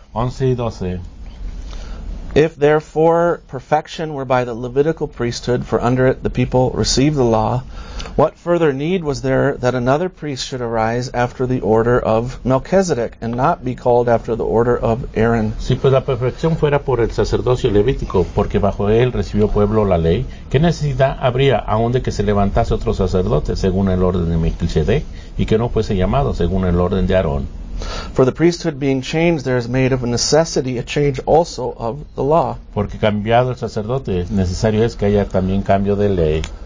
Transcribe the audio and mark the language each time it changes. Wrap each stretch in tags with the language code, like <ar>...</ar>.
<es>11 y 12.</es> <en>If therefore perfection were by the Levitical priesthood, for under it the people received the law, what further need was there that another priest should arise after the order of Melchizedek, and not be called after the order of Aaron?</en> <es>Si pues la perfección fuera por el sacerdocio levítico, porque bajo él recibió pueblo la ley, ¿qué necesidad habría aún de que se levantase otro sacerdote según el orden de Melchizedek, y que no fuese llamado según el orden de Aarón?</es> <en>For the priesthood being changed, there is made of necessity a change also of the law.</en> <es>Porque cambiado el sacerdote, necesario es que haya también cambio de ley.</es>